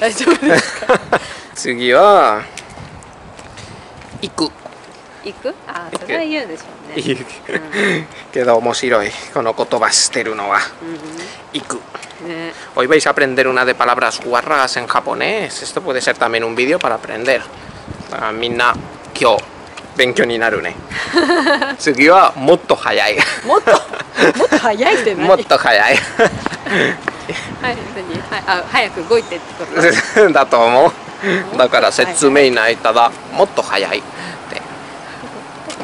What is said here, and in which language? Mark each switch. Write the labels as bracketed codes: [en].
[ja] 大丈夫ですか次は行く行く、あ、それは言うでしょうね行く、うん、けど面白いこの言葉してるのは、うん、行く、ね、 [es] Hoy vais a aprender una de palabras guarras en japonés. Esto puede ser también un vídeo para aprender. [ja] みんな今日勉強になるね。次はもっと早い。もっと早いって何？もっと早い。はい、早く動いてってことだと思う。だから説明ないただもっと早いって。